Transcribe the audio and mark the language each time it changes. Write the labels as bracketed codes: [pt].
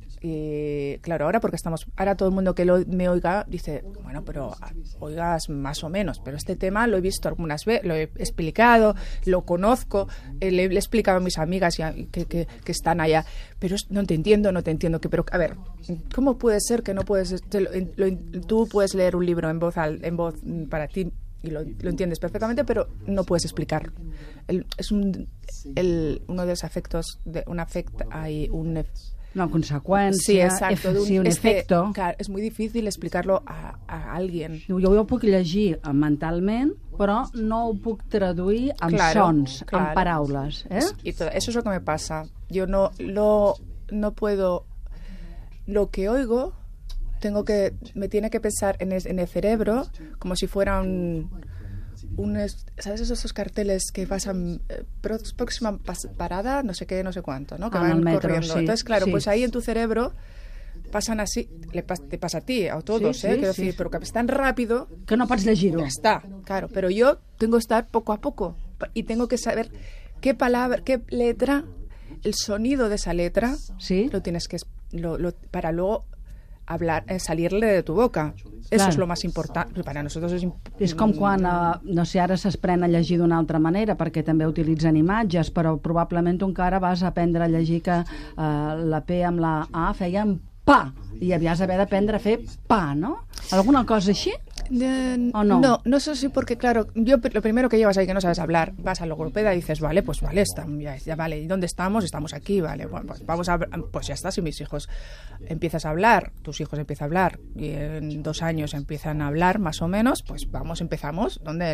[es] Y claro, ahora porque estamos, ahora todo el mundo que me oiga dice, bueno, pero oigas más o menos, pero este tema lo he visto algunas veces, lo he explicado, lo conozco, le he explicado a mis amigas que están allá, pero no te entiendo, pero a ver, ¿cómo puede ser que no puedes, tú puedes leer un libro en voz para ti y lo entiendes perfectamente, pero no puedes explicar? Es uno de los afectos, un afecto, hay un una consecuencia, sí, exacto, un efecto. Claro, es muy difícil explicarlo a alguien. [ca] Jo ho puc llegir mentalment, però no ho puc traduir amb sons, amb paraules. [es] Y todo, eso es lo que me pasa. Yo no, no puedo... Lo que oigo... Tengo que, me tiene que pensar en el cerebro como si fuera un ¿sabes esos carteles que pasan próxima parada? No sé qué, no sé cuánto, ¿no? Que van en el metro, corriendo. Sí, entonces, claro, sí. Pues ahí en tu cerebro pasan así, te pasa a ti, a todos, sí, ¿eh? Sí, quiero sí. Decir, pero que es tan rápido... Que no puedes elegirlo. Ya está, claro. Pero yo tengo que estar poco a poco y tengo que saber qué palabra, qué letra, el sonido de esa letra, ¿sí? Lo tienes que... para luego... hablar, salirle de tu boca. Eso claro. Es lo más importante. Para nosotros es [ca] És com quan, no sé, ara s'aprèn a llegir d'una altra manera, perquè també utilitzen imatges, però probablement tu encara vas aprendre a llegir que la P amb la A feien pa, i havies d'haver d'aprendre a fer pa, no? Alguna cosa així? [es] ¿O no? No, no sé si porque, claro, yo lo primero que llevas ahí que no sabes hablar, vas a la logopeda y dices, vale, pues vale, ya vale, ¿y dónde estamos? Estamos aquí, vale, bueno, pues vamos a, pues ya está, si mis hijos empiezas a hablar, tus hijos empiezan a hablar, y en 2 años empiezan a hablar, más o menos, pues vamos, empezamos, ¿dónde?